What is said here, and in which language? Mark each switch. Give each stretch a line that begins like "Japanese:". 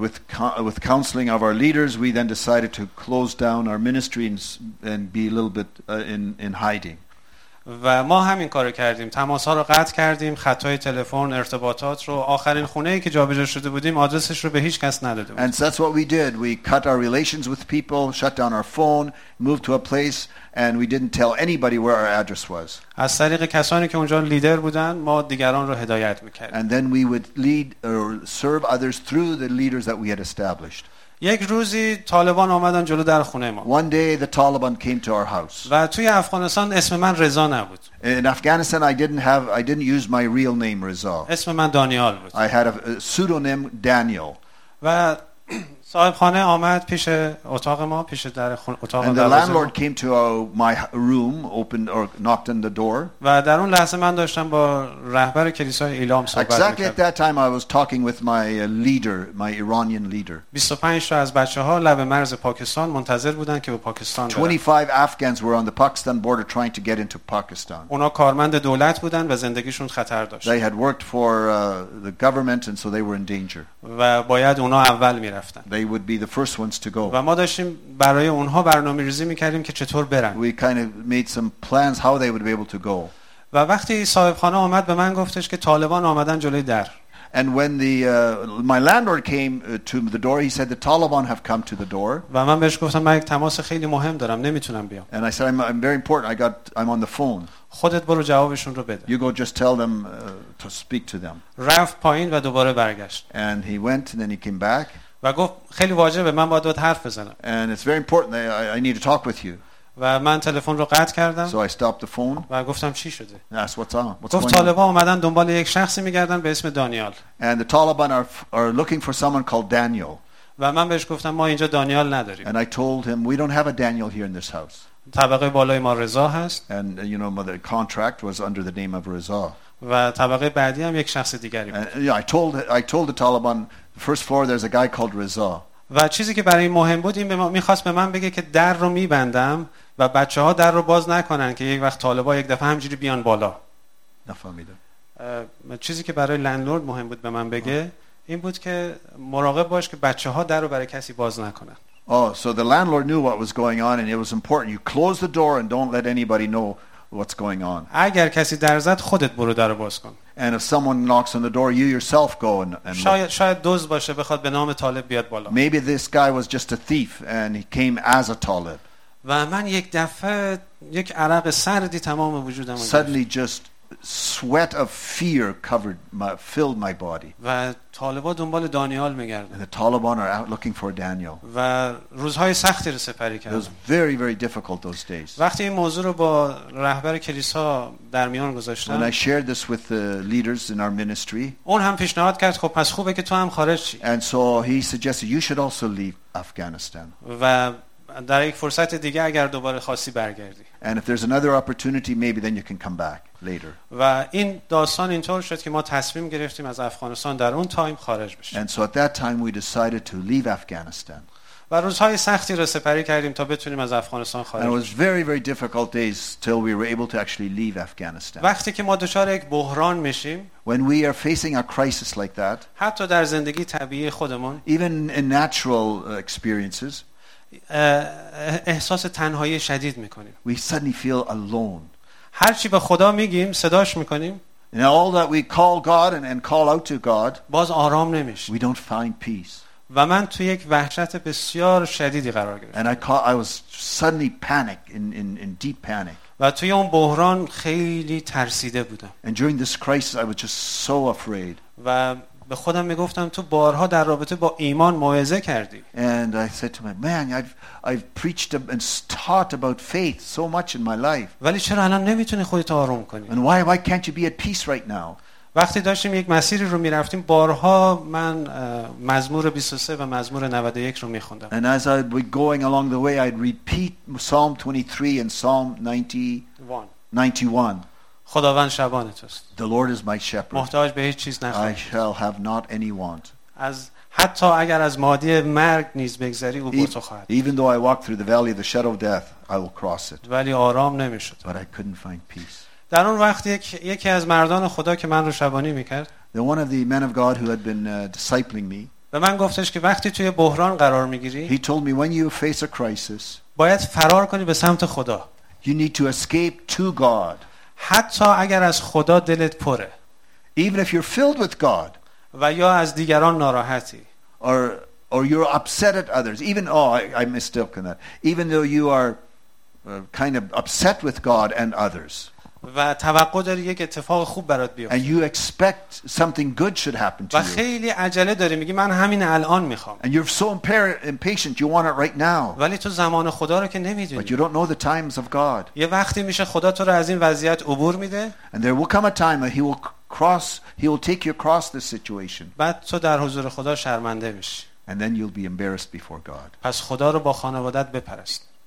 English: And with counseling of our leaders we then decided to close down our ministry and be a little bit in hiding.
Persian: و ما همین کارو کردیم، تماس ها رو قطع کردیم، خطای تلفن، ارتباطات رو، آخرین خونه ای که جابجا شده بودیم آدرسش رو به هیچ کس ندادیم.
English: And that's what we did. We cut our relations with people, shut down our phone, moved to a place and we didn't tell anybody where our address was.
Persian: از طریق کسانی که اونجا لیدر بودن ما دیگران رو هدایت می‌کردیم.
English: And then we would lead or serve others through the leaders that we had established.
Persian: یک روزی طالبان آمدن جلو در خونه ما.
English: One day the Taliban came to our house.
Persian: و توی افغانستان اسم من رضا نبود.
English: In Afghanistan I didn't use my real name Reza.
Persian: اسم من دانیال بود.
English: I had a pseudonym Daniel.
Persian: و صاحب خانه آمد پیش اتاق ما، پیش در اتاق ما.
English: And the landlord came to my room, opened or knocked on the door.
Persian: و در اون لحظه من داشتم با رهبر کلیسای ایلام صحبت می‌کردم.
English: Exactly at that time I was talking with my leader, my Iranian leader.
Persian: 25 تا از بچه‌ها لب مرز پاکستان منتظر بودن که به پاکستان برن.
English: 25 Afghans were on the Pakistan border trying to get into Pakistan.
Persian: اونا کارمند دولت بودن و زندگیشون خطر داشت.
English: They had worked for the government and so they were in danger.
Persian: و باید اونا اول می‌رفتن.
English: They would be the first ones to go.
Persian: و ما داشتیم برای اونها برنامه‌ریزی می‌کردیم که چطور برن.
English: We kind of made some plans how they would be able to go.
Persian: و وقتی صاحب خانه آمد به من گفتش که طالبان آمدن جلوی در.
English: And when the my landlord came to the door, he said the Taliban have come to the door.
Persian: و من بهش گفتم من یک تماس خیلی مهم دارم، نمیتونم بیام.
English: And I said I'm very important. I'm on the phone.
Persian: خودت برو جوابشون رو بده.
English: You go just tell them to speak to them.
Persian: رفت پایین و دوباره برگشت.
English: And he went and then he came back.
Persian: و گفت خیلی واجبه من باید حرف بزنم.
English: And it's very important that I need to talk with you.
Persian: و من تلفن رو قطع کردم.
English: So I stopped the phone.
Persian: و گفتم چی شده؟
English: Yes, what's
Persian: گفت طالبان اومدن دنبال یک شخصی میگردن به اسم دانیال.
English: And the Taliban are looking for someone called Daniel.
Persian: و من بهش گفتم ما اینجا دانیال نداریم.
English: And I told him we don't have a Daniel here in this house.
Persian: طبقه بالای ما رضا هست.
English: And you know the contract was under the name of Rizal.
Persian: و طبقه بعدی هم یک شخص دیگری بود.
English: I told the Taliban first floor there's a guy called Reza.
Persian: و چیزی که برای مهم بود این به ما می‌خواست به من بگه که در رو می‌بندم و بچه‌ها در رو باز نکنن که یک وقت طالبا یک دفعه همجوری بیان بالا. نفهمیدم. چیزی که برای لندلورد مهم بود به من بگه این بود که مراقب باش که بچه‌ها در رو برای کسی باز نکنن.
English: Oh, so the landlord knew what was going on and it was important. You close the door and don't let anybody know what's going on.
Persian: اگر کسی در زد خودت برو درو باز کن.
English: And if someone knocks on the door, you yourself go and
Persian: شاید دزد باشه بخواد به نام طالب بیاد بالا.
English: Maybe this guy was just a thief and he came as a talib.
Persian: و من یک دفعه یک عرق سردی تمام وجودم گرفت.
English: Suddenly just sweat of fear filled my body.
Persian: و طالبا دنبال دانیال می‌گردن.
English: The Taliban are out looking for Daniel.
Persian: و روزهای سختی رو سپری کردم.
English: It was very very difficult those days.
Persian: وقتی این موضوع رو با رهبر کلیسا در میان گذاشتم.
English: When I shared this with the leaders in our ministry.
Persian: اون هم پیشنهاد کرد خب پس خوبه که تو هم خارج شی.
English: And so he suggested you should also leave Afghanistan.
Persian: و در یک فرصت دیگه اگر دوباره خواستی برگردی.
English: And if there's another opportunity maybe then you can come back. Later.
Persian: و این داستان اینطور شد که ما تصمیم گرفتیم از افغانستان در اون تایم خارج بشیم.
English: And so at that time we decided to leave Afghanistan.
Persian: و روزهای سختی رو سپری کردیم تا بتونیم از افغانستان خارج بشیم.
English: And it was very very difficult days till we were able to actually leave Afghanistan.
Persian: وقتی که ما دچار یک بحران میشیم.
English: When we are facing a crisis like that.
Persian: حتی در زندگی طبیعی خودمون.
English: Even in natural experiences.
Persian: احساس تنهایی شدید میکنیم.
English: We suddenly feel alone.
Persian: هر چی به خدا میگیم صداش میکنیم.
English: And all that we call God and call out to God.
Persian: باز آرام نمیشه.
English: We don't find peace.
Persian: و من تو یک وحشت بسیار شدیدی قرار گرفتم.
English: And I was suddenly panic in deep panic.
Persian: و توی اون بحران خیلی ترسیده بودم.
English: And during this crisis I was just so afraid.
Persian: و به خودم میگفتم تو بارها در رابطه با ایمان موعظه کردی.
English: And I said to myself, man, I've preached and taught about faith so much in my life.
Persian: ولی چرا الان نمیتونی خودت آروم کنی؟
English: And why can't you be at peace right now?
Persian: وقتی داشتیم یک مسیری رو میرفتیم بارها من مزمور 23 و مزمور 91 رو میخوندم.
English: And as I was going along the way, I'd repeat Psalm 23 and Psalm 91.
Persian: خداوند شبان توست.
English: The Lord is my shepherd.
Persian: محتاج به هیچ چیز نخواهی.
English: I shall have not any want.
Persian: از حتی اگر از مادی مرگ نیز بگذری او با تو خواهد.
English: Even though I walk through the valley of the shadow of death, I will cross it.
Persian: ولی آرام نمی‌شد.
English: But I couldn't find peace.
Persian: در اون وقت یکی از مردان خدا که من رو شبانی می‌کرد.
English: The one of the men of God who had been discipling me.
Persian: به من گفتش که وقتی توی بحران قرار می‌گیری.
English: He told me when you face a crisis.
Persian: باید فرار کنی به سمت خدا.
English: You need to escape to God.
Persian: حتی اگر از خدا دلت پره.
English: Even if you're filled with God.
Persian: و یا از دیگران ناراحتی.
English: Or you're upset at others. I mistaken that. Even though you are kind of upset with God and others.
Persian: و توقع داری یک اتفاق خوب برات بیفته.
English: And you expect something good should happen to you.
Persian: و خیلی عجله داری میگی من همین الان میخوام.
English: And you're so impatient you want it right now.
Persian: ولی تو زمان خدا رو که نمیدونی.
English: But you don't know the times of God.
Persian: یه وقتی میشه خدا تو رو از این وضعیت عبور میده.
English: And there will come a time that he will take you across this situation.
Persian: بعد تو در حضور خدا شرمنده میشی.
English: And then you'll be embarrassed before God.
Persian: پس خدا رو با خانواده‌ات بپرست.